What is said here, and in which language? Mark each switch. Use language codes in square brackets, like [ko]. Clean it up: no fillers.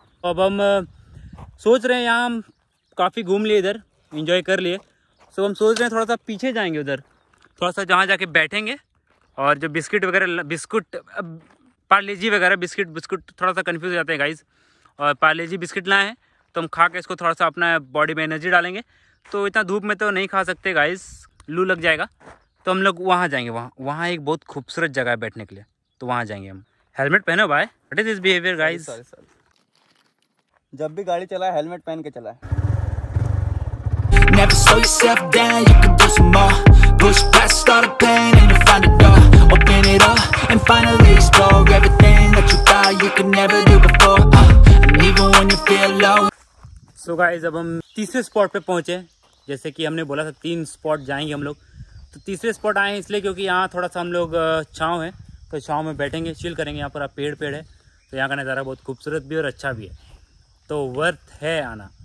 [hi] अब हम सोच रहे हैं, यहाँ हम काफ़ी घूम लिए, इधर इंजॉय कर लिए, सो हम सोच रहे हैं थोड़ा सा पीछे जाएंगे उधर, थोड़ा सा जहाँ जाके बैठेंगे, और जो बिस्किट वगैरह पार्ले जी बिस्किट थोड़ा सा कन्फ्यूज हो जाते हैं गाइस, और पार्ले जी बिस्किट लाए हैं तो हम खा के इसको थोड़ा सा अपना बॉडी में एनर्जी डालेंगे। तो इतना धूप में तो नहीं खा सकते गाइस, लू लग जाएगा। तो हम लोग वहाँ जाएंगे, वहाँ एक बहुत खूबसूरत जगह है बैठने के लिए, तो वहाँ जाएंगे हम। हेलमेट पहनो भाई, [en] What is this behaviour guys? [hi] जब भी गाड़ी चला है हेलमेट पहन के चला है। [en] Never slow yourself down, you can do some more. Push past start a pain and you find a door. Open it up and finally explore everything that you thought you could never do before. And even when you feel low. [hi] So guys, अब हम तीसरे spot पे पहुंचे, जैसे कि हमने बोला था तीन स्पॉट जाएंगे हम लोग, तो तीसरे स्पॉट आए हैं इसलिए क्योंकि यहाँ थोड़ा सा हम लोग छांव है, तो छांव में बैठेंगे, चिल करेंगे। यहाँ पर आप पेड़ पेड़ है, तो यहाँ का नज़ारा बहुत खूबसूरत भी और अच्छा भी है, तो वर्थ है आना।